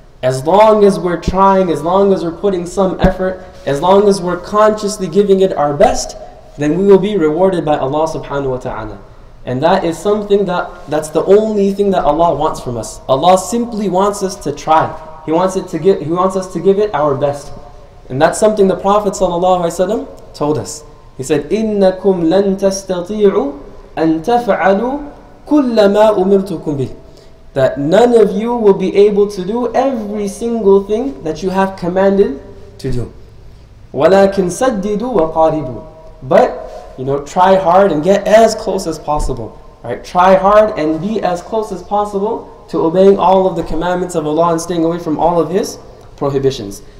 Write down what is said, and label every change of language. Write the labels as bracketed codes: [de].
[en] As long as we're trying, as long as we're putting some effort, as long as we're consciously giving it our best, then we will be rewarded by Allah subhanahu wa ta'ala. And that is something that's the only thing that Allah wants from us. Allah simply wants us to try. He wants us to give it our best. And that's something the Prophet sallallahu alaihi wasallam told us. He said, [ar] إِنَّكُمْ لَن تَسْتَطِيعُوا أَن تَفْعَلُوا كُلَّ مَا أُمِرْتُكُمْ بِهِ. [en] That none of you will be able to do every single thing that you have commanded to do. [ar] وَلَكِنْ سَدِّدُوا وَقَارِبُوا. [en] But, you know, try hard and get as close as possible. Right? Try hard and be as close as possible to obeying all of the commandments of Allah and staying away from all of His prohibitions.